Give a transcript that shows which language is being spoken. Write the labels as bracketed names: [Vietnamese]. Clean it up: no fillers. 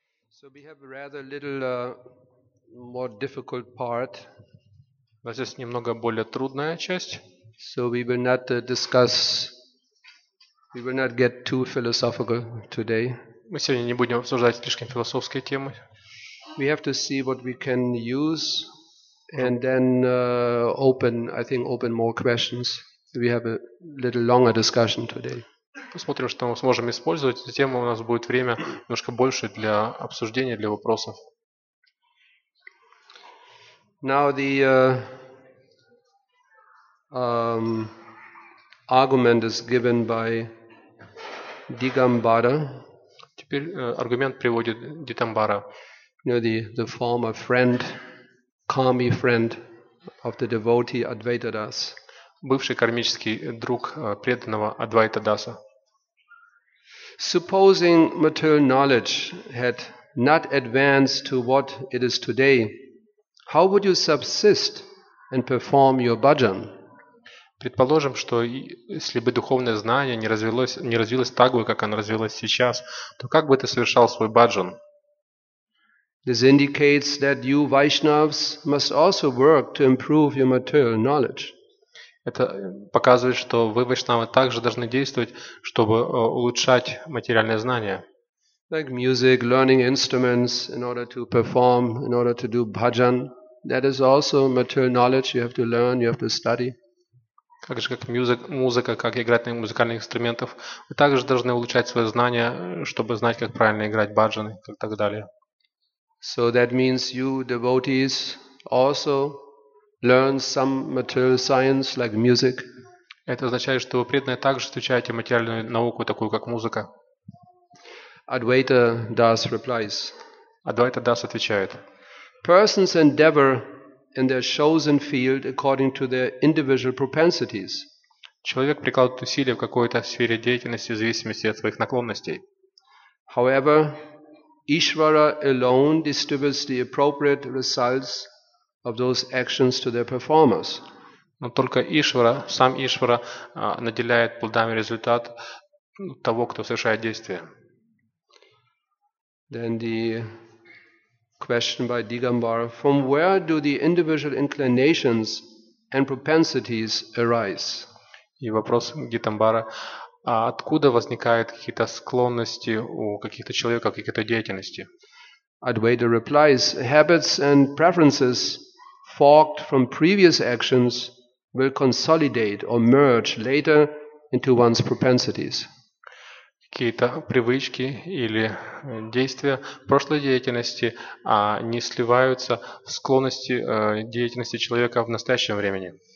[English] So we have a rather little more difficult part. [Russian] У нас есть немного более трудная часть. [English] So we will not discuss. We will not get too philosophical today. [Russian] Мы сегодня не будем обсуждать слишком философские темы. [English] We have to see what we can use, and then open more questions. We have a little longer discussion today. [Russian] Посмотрим, что мы сможем использовать. Затем у нас будет время немножко больше для обсуждения, для вопросов. [English] Now the argument is given by Digambara. [Russian] Теперь аргумент приводит Дигамбара. [English] You know, the former friend, karmic friend of the devotee Advaita Das. [Russian] Бывший кармический друг преданного Адвайта Даса. [English] Supposing material knowledge had not advanced to what it is today, how would you subsist and perform your bhajan? [Russian] Предположим, что если бы духовное знание не развилось так бы, как оно развилось сейчас, то как бы ты совершал свой бхаджан? [English] This indicates that you Vaishnavs must also work to improve your material knowledge. [Russian] Это показывает, что вы, Вайшнавы, также должны действовать, чтобы улучшать материальное знание. [English] Like music, learning instruments in order to perform, in order to do bhajan. That is also material knowledge. You have to learn, you have to study. [Russian] Как же как музыка, как играть на музыкальных инструментах. Вы также должны улучшать свое знание, чтобы знать, как правильно играть бхаджаны и так далее. [English] So that means you, devotees, also learn some material science like music. [Russian] Это означает, что вы преданные также изучаете материальную науку, такую как музыка. [English] Advaita Das replies. [Russian] Advaita Das отвечает. [English] Persons endeavor in their chosen field according to their individual propensities. [Russian] Человек прикладывает усилия в какой-то сфере деятельности в зависимости от своих наклонностей. [English] However, Ishvara alone distributes the appropriate results of those actions to their performers. [Russian] Но только Ишвара, сам Ишвара, наделяет плодами результат того, кто совершает действие. [English] Then the question by Digambara: from where do the individual inclinations and propensities arise? [Russian] И вопрос Дигамбары: а откуда возникают какие-то склонности у каких-то человека, какие-то деятельности? [English] Advaita replies: habits and preferences forked from previous actions will consolidate or merge later into one's propensities. [Russian] Какие-то привычки или действия прошлой деятельности не сливаются в склонности деятельности человека в настоящем времени.